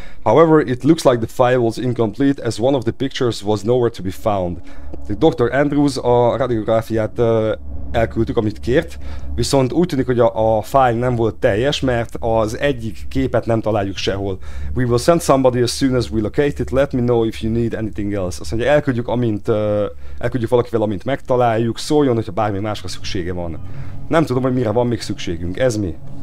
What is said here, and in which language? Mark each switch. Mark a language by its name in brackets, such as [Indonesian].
[English] However, it looks like the file was incomplete as one of the pictures was nowhere to be found. The Dr. [Hungarian] Andrews a radiográfiát elküldtük, amit kért, viszont úgy tűnik, hogy a file nem volt teljes, mert az egyik képet nem találjuk sehol. [English] We will send somebody as soon as we locate it. Let me know if you need anything else. [Hungarian] Azt mondja, elküldjük, elküldjük valakivel, amint megtaláljuk. Szóljon, hogyha bármi másra szüksége van. Nem tudom, hogy mire van még szükségünk. Ez mi?